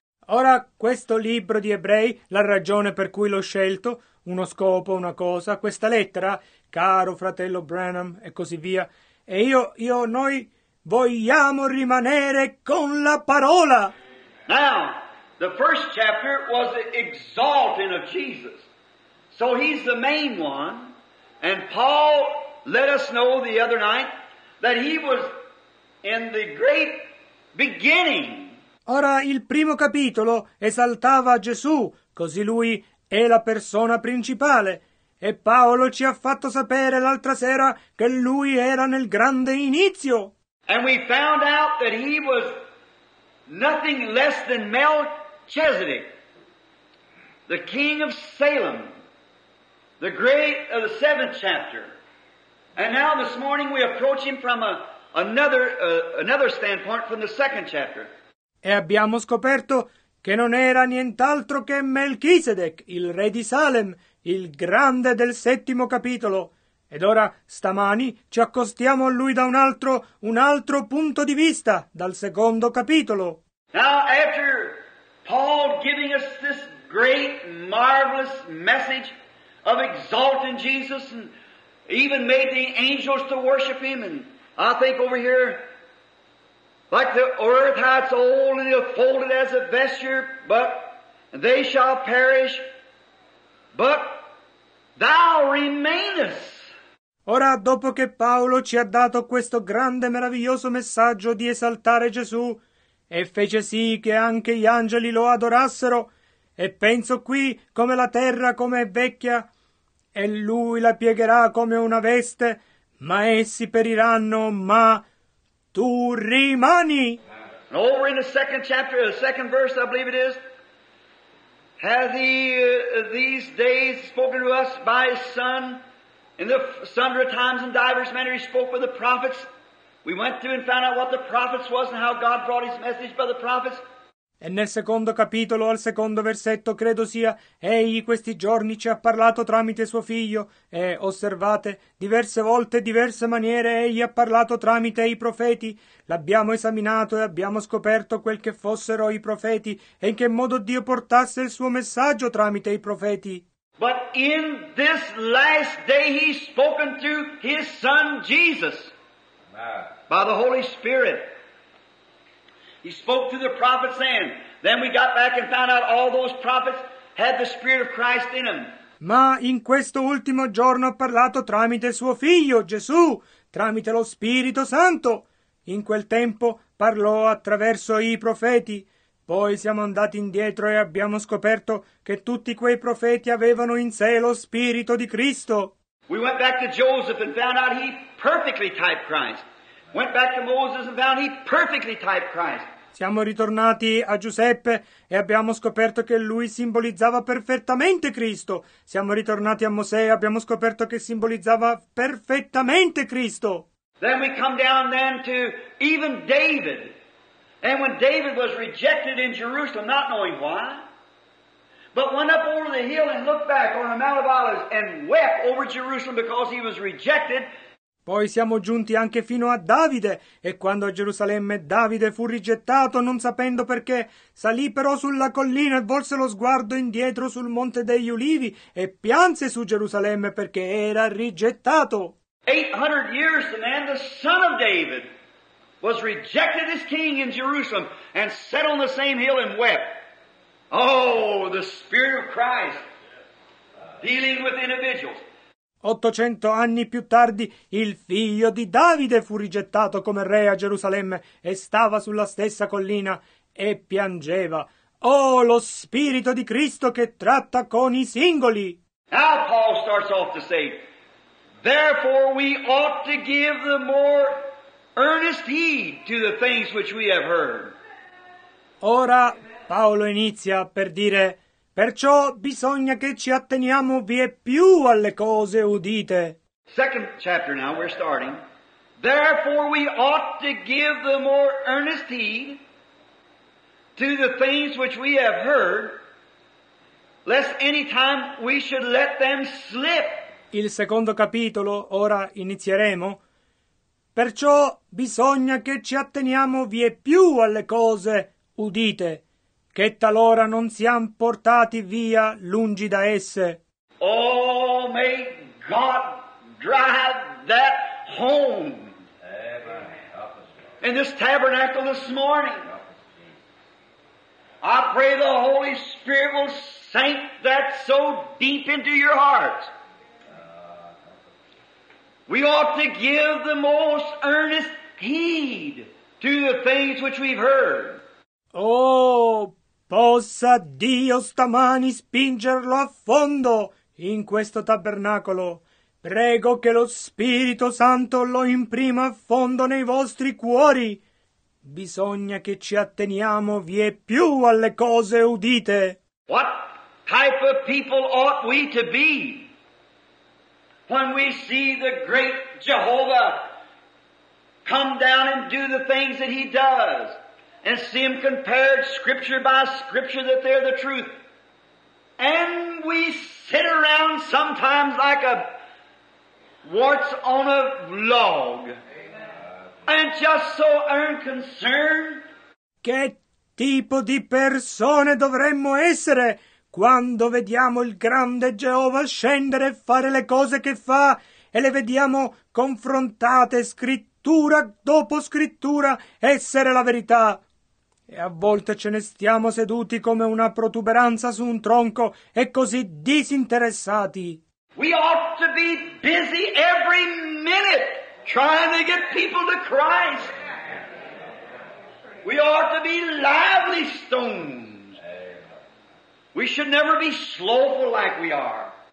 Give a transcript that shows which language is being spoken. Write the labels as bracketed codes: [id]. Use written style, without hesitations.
[it] Ora, questo libro di Ebrei, la ragione per cui l'ho scelto, uno scopo, una cosa, questa lettera, caro fratello Branham, e così via, e noi vogliamo rimanere con la parola. [en] Now, the first chapter was the exalting of Jesus. So he's the main one. And Paul let us know the other night that he was in the great beginning. [it] Ora il primo capitolo esaltava Gesù, così lui è la persona principale. E Paolo ci ha fatto sapere l'altra sera che lui era nel grande inizio. [en] And we found out that he was nothing less than Melchizedek, the king of Salem. The great of the seventh chapter. And now this morning we approach him from another standpoint from the second chapter. [it] E abbiamo scoperto che non era nient'altro che Melchisedec, il re di Salem, il grande del settimo capitolo. Ed ora, stamani, ci accostiamo a lui da un altro punto di vista, dal secondo capitolo. [en] Now after Paul giving us this great, marvelous message of exalting Jesus and even made the angels to worship him. And I think over here, like the earth, how it's old and it's folded as a vesture, but they shall perish, but thou remainest. [it] Ora, dopo che Paolo ci ha dato questo grande e meraviglioso messaggio di esaltare Gesù e fece sì che anche gli angeli lo adorassero, e penso qui come la terra come è vecchia, e lui la piegherà come una veste, ma essi periranno, ma tu rimani. [en] And over in the second chapter, the second verse, I believe it is, hath he these days spoken to us by his son, in the sundry times and divers manner he spoke with the prophets. We went through and found out what the prophets was and how God brought his message by the prophets. [it] E nel secondo capitolo, al secondo versetto, credo sia, egli questi giorni ci ha parlato tramite suo figlio, e osservate, diverse volte, diverse maniere, egli ha parlato tramite i profeti. L'abbiamo esaminato e abbiamo scoperto quel che fossero i profeti, e in che modo Dio portasse il suo messaggio tramite i profeti. [en] But in this last day he's spoken through his son Jesus, by the Holy Spirit. He spoke to the prophets then. Then we got back and found out all those prophets had the Spirit of Christ in them. [it] Ma in questo ultimo giorno ha parlato tramite suo figlio, Gesù, tramite lo Spirito Santo. In quel tempo parlò attraverso i profeti. Poi siamo andati indietro e abbiamo scoperto che tutti quei profeti avevano in sé lo Spirito di Cristo. [en] We went back to Joseph and found out he perfectly typed Christ. Went back to Moses and found he perfectly typed Christ. [it] Siamo ritornati a Giuseppe e abbiamo scoperto che lui simbolizzava perfettamente Cristo. Siamo ritornati a Mosè e abbiamo scoperto che simbolizzava perfettamente Cristo. [en] Then we come down then to even David. And when David was rejected in Jerusalem, not knowing why, but went up over the hill and looked back on the Mount of Olives and wept over Jerusalem because he was rejected. [it] Poi siamo giunti anche fino a Davide, e quando a Gerusalemme Davide fu rigettato, non sapendo perché, salì però sulla collina e volse lo sguardo indietro sul Monte degli Ulivi e pianse su Gerusalemme perché era rigettato. [en] 800 years the man, the son of David, was rejected as king in Jerusalem and sat on the same hill and wept. Oh, the Spirit of Christ dealing with individuals. [it] 800 anni più tardi, il figlio di Davide fu rigettato come re a Gerusalemme e stava sulla stessa collina e piangeva. Oh, lo Spirito di Cristo che tratta con i singoli! [en] Now Paul starts off to say, therefore we ought to give the more earnest heed to the things which we have heard. [it] Ora Paolo inizia per dire, perciò bisogna che ci atteniamo vie più alle cose udite. [en] Second chapter now, we're starting. Therefore we ought to give the more earnest heed to the things which we have heard, lest any time we should let them slip. [it] Il secondo capitolo, ora inizieremo. Perciò bisogna che ci atteniamo vie più alle cose udite, che talora non siam portati via lungi da esse. [en] Oh, may God drive that home. In this tabernacle this morning, I pray the Holy Spirit will sink that so deep into your heart. We ought to give the most earnest heed to the things which we've heard. [it] Oh, possa Dio stamani spingerlo a fondo in questo tabernacolo. Prego che lo Spirito Santo lo imprima a fondo nei vostri cuori. Bisogna che ci atteniamo vie più alle cose udite. [en] What type of people ought we to be when we see the great Jehovah come down and do the things that he does? And see him compared scripture by scripture that they're the truth. And we sit around sometimes like a warts on a log. And just so unconcerned. [it] Che tipo di persone dovremmo essere quando vediamo il grande Geova scendere e fare le cose che fa e le vediamo confrontate scrittura dopo scrittura essere la verità? E a volte ce ne stiamo seduti come una protuberanza su un tronco e così disinteressati. [en] We ought to be busy every minute trying to get people to Christ. We ought to be lively stones. We should never be slowful like we are.